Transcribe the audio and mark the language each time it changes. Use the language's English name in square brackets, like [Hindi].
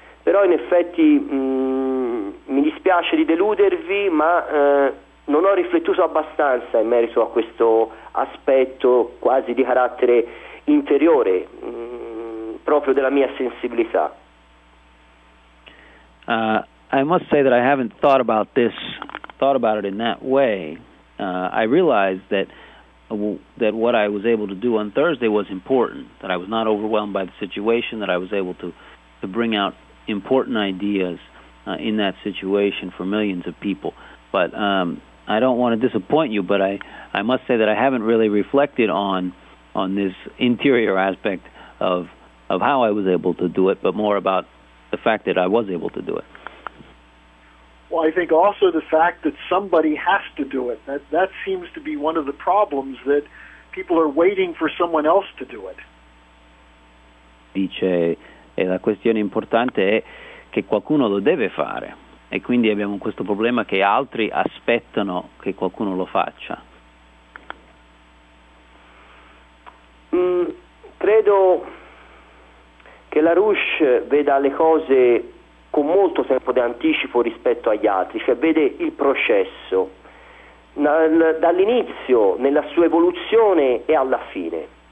[Italian] Però in effetti mi dispiace di deludervi, ma non ho riflettuto abbastanza in merito a questo aspetto quasi di carattere interiore, proprio della mia sensibilità. [English] I must say that I haven't thought about it in that way. I realized that what I was able to do on Thursday was important, that I was not overwhelmed by the situation, that I was able to bring out important ideas in that situation for millions of people. But I don't want to disappoint you, but I must say that I haven't really reflected on this interior aspect of how I was able to do it, but more about the fact that I was able to do it. Well, I think also the fact that somebody has to do it, that seems to be one of the problems, that people are waiting for someone else to do it. [Italian] Dice, e la questione importante è che qualcuno lo deve fare, e quindi abbiamo questo problema che altri aspettano che qualcuno lo faccia. Credo che LaRouche veda le cose con molto tempo di anticipo rispetto agli altri, cioè vede il processo dall'inizio, nella sua evoluzione e alla fine.